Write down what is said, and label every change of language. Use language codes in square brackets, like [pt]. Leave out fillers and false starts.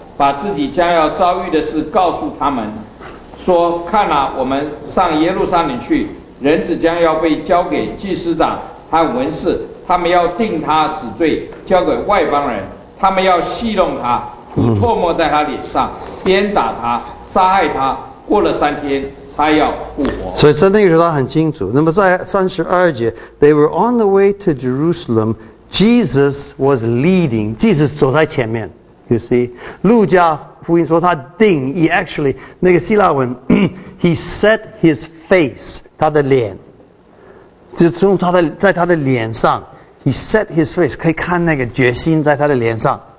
[zh] 把自己将要遭遇的事告诉他们，说：看啊，我们上耶路撒冷去，人子将要被交给祭司长和文士，他们要定他死罪，交给外邦人，他们要戏弄他，吐唾沫在他脸上，鞭打他，杀害他。过了三天，他要复活。所以在那个时候很清楚。那么在32节 [en] ，They were on the way to Jerusalem. Jesus was leading. Jesus [zh] 走在前面。 [en] You see， [zh] 路加福音说他定 ， [en] He actually [zh] 那个希腊文， [en] He set his face， [zh] 他的脸，就从他的在他的脸上 ，He set his face， 可以看那个决心在他的脸上。